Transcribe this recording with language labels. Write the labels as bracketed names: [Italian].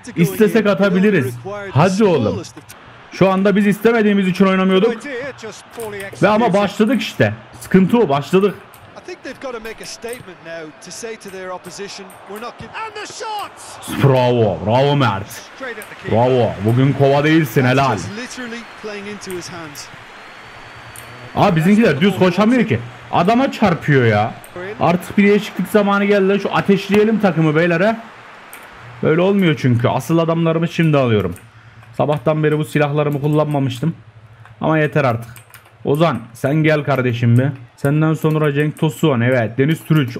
[Turkish] İstesek atabiliriz. Hadi oğlum. Şu anda biz istemediğimiz için oynamıyorduk. Ve ama başladık işte. Sıkıntı o, başladık. [English] I think they've got to make a statement now to say to their opposition we're not giving and the shots. [Turkish] Bravo, bravo Mert. Bravo. Bugün kova değilsin helal. [English] He's literally playing into his hands. [Turkish] Aa bizimkiler düz koşamıyor ki. Adama çarpıyor ya. Artık bir değişiklik zamanı geldi lan. Şu ateşleyelim takımı beylere. Böyle olmuyor çünkü. Asıl adamlarımı şimdi alıyorum. Sabahtan beri bu silahlarımı kullanmamıştım. Ama yeter artık. Ozan sen gel kardeşim bir. Senden sonra Cenk Tosun. Evet Deniz Türüç.